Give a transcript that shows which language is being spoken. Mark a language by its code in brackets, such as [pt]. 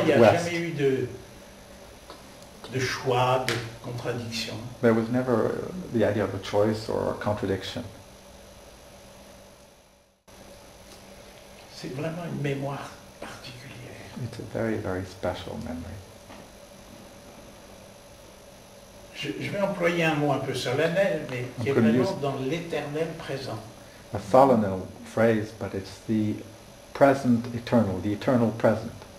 [fr] Pour moi, il n'y a jamais eu de choix, de contradiction. [en] There was never the idea of a choice or a contradiction. [fr] C'est vraiment une mémoire particulière. [en] It's a very, very special memory. [fr] Je vais employer un mot un peu solennel, mais qui est vraiment dans l'éternel présent. [en] A solennel phrase, but it's the present eternal, the eternal present.